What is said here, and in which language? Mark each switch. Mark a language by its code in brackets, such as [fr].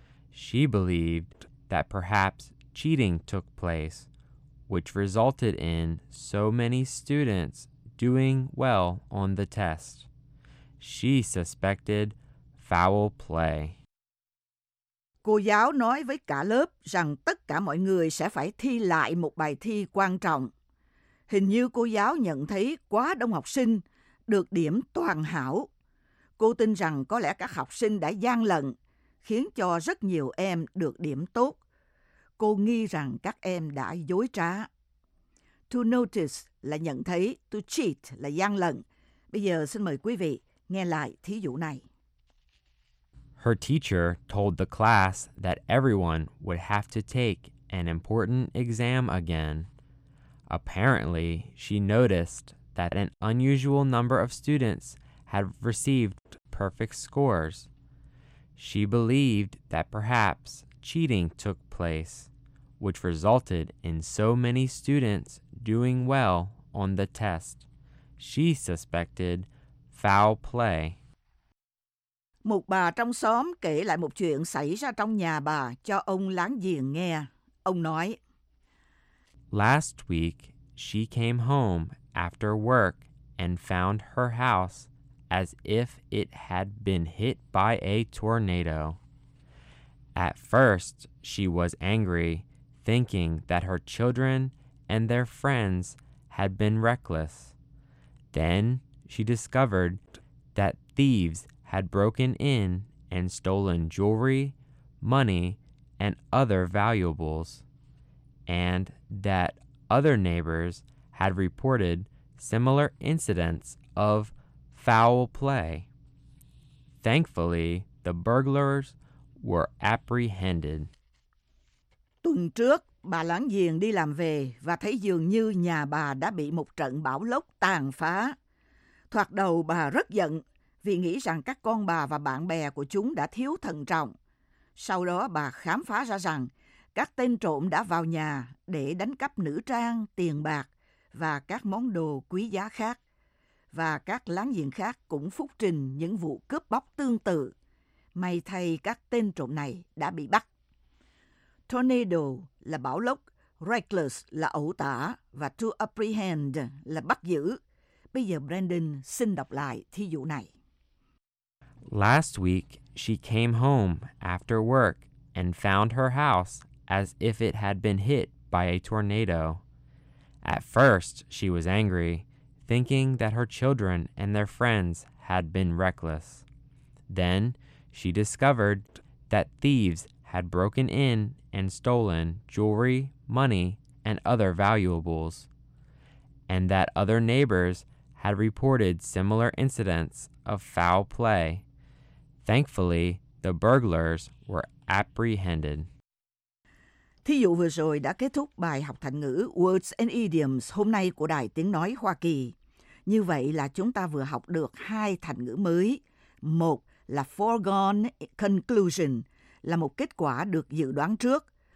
[en] She believed that perhaps cheating took place, which resulted in so many students doing well on the test. She suspected foul play. [vi] Cô giáo nói với cả lớp rằng tất cả mọi người sẽ phải thi lại một bài thi quan trọng. hình như cô giáo nhận thấy quá đông học sinh được điểm toàn hảo. Cô tin rằng có lẽ các học sinh đã gian lận, khiến cho rất nhiều em được điểm tốt. Cô nghi rằng các em đã dối trá. [en] To notice [vi] là nhận thấy, [en] to cheat [vi] là gian lận. Bây giờ xin mời quý vị nghe lại thí dụ này. [en] Her teacher told the class that everyone would have to take an important exam again. Apparently, she noticed that an unusual number of students had received perfect scores. She believed that perhaps cheating took place, which resulted in so many students doing well on the test. She suspected foul play. [vi] Một bà trong xóm kể lại một chuyện xảy ra trong nhà bà cho ông láng giềng nghe. Ông nói: [en] Last week, she came home after work and found her house as if it had been hit by a tornado. At first, she was angry, thinking that her children and their friends had been reckless. Then she discovered that thieves had broken in and stolen jewelry, money, and other valuables, and that other neighbors had reported similar incidents of foul play. Thankfully, the burglars were apprehended. [vi] Tuần trước, bà láng giềng đi làm về và thấy dường như nhà bà đã bị một trận bão lốc tàn phá. Thoạt đầu bà rất giận vì nghĩ rằng các con bà và bạn bè của chúng đã thiếu thận trọng. Sau đó bà khám phá ra rằng các tên trộm đã vào nhà để đánh cắp nữ trang, tiền bạc và các món đồ quý giá khác. Và các láng giềng khác cũng phúc trình những vụ cướp bóc tương tự. May thay các tên trộm này đã bị bắt. Tornado là bão lốc, reckless là ẩu tả và [en] to apprehend [vi] là bắt giữ. Bây giờ Brandon xin đọc lại thí dụ này. [en] Last week, she came home after work and found her house as if it had been hit by a tornado. At first, she was angry, thinking that her children and their friends had been reckless. Then, she discovered that thieves had broken in and stolen jewelry, money, and other valuables, and that other neighbors had reported similar incidents of foul play. Thankfully, the burglars were apprehended. [vi] Thí dụ vừa rồi đã kết thúc bài học thành ngữ Words and Idioms hôm nay của Đài Tiếng Nói Hoa Kỳ. Như vậy là chúng ta vừa học được hai thành ngữ mới. Một là [en] foregone conclusion, [vi] là một kết quả được dự đoán trước.